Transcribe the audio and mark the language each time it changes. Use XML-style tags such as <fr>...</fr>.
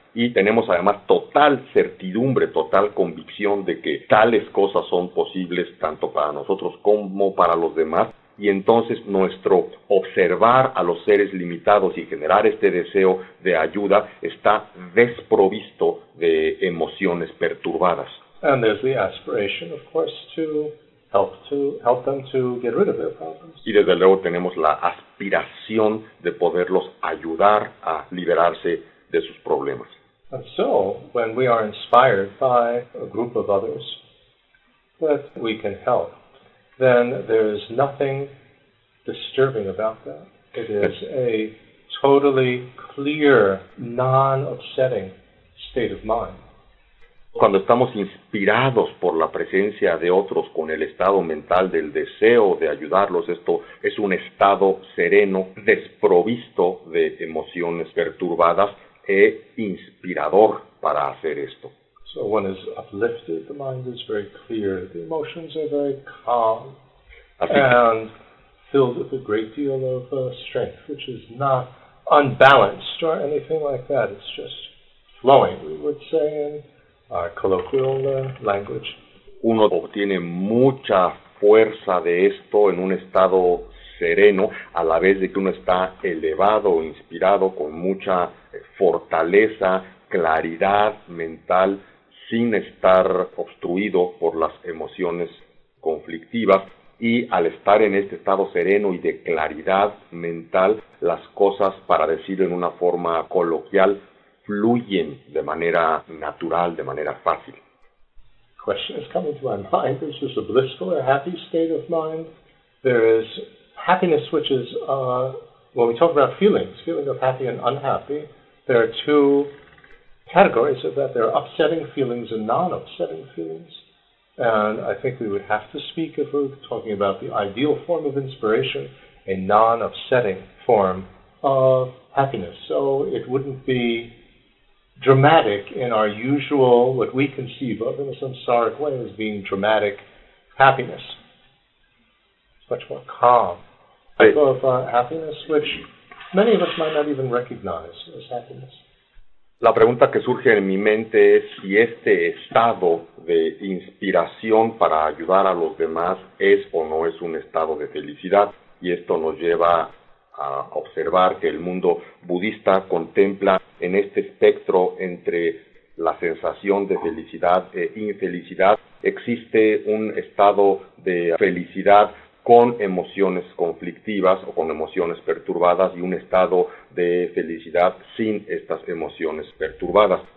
<es>Y tenemos además total certidumbre, total convicción de que tales cosas son posibles tanto para nosotros como para los demás. Y entonces nuestro observar a los seres limitados y generar este deseo de ayuda está desprovisto de emociones perturbadas.</es> <en>And there's the aspiration, of course, to help them to get rid of their problems.</en> <es>Y desde luego tenemos la aspiración de poderlos ayudar a liberarse de sus problemas.</es> <en>And so, when we are inspired by a group of others that we can help, then there is nothing disturbing about that. It is a totally clear, non-upsetting state of mind.</en> <es>Cuando estamos inspirados por la presencia de otros con el estado mental del deseo de ayudarlos, esto es un estado sereno, desprovisto de emociones perturbadas, e inspirador para hacer esto.</es> <en>So one is uplifted, the mind is very clear, the emotions are very calm, and filled with a great deal of strength, which is not unbalanced or anything like that, it's just flowing, we would say in our colloquial language.</en> <es>Uno obtiene mucha fuerza de esto en un estado sereno, a la vez de que uno está elevado, inspirado, con mucha fortaleza, claridad mental, sin estar obstruido por las emociones conflictivas, y al estar en este estado sereno y de claridad mental, las cosas, para decirlo en una forma coloquial, fluyen de manera natural, de manera fácil.</es> <en>Question is coming to my mind. This is a blissful or happy state of mind. There is happiness, which is, when we talk about feeling of happy and unhappy, there are two categories of that. There are upsetting feelings and non-upsetting feelings. And I think we would have to speak, if we're talking about the ideal form of inspiration, a non-upsetting form of happiness. So it wouldn't be dramatic in our usual, what we conceive of in a samsaric way, as being dramatic happiness. It's much more calm. Happiness, which many of us might not even recognize as happiness.</en> <es>La pregunta que surge en mi mente es si este estado de inspiración para ayudar a los demás es o no es un estado de felicidad. Y esto nos lleva a observar que el mundo budista contempla en este espectro entre la sensación de felicidad e infelicidad, existe un estado de felicidad con emociones conflictivas o con emociones perturbadas y un estado de felicidad sin estas emociones perturbadas.</es>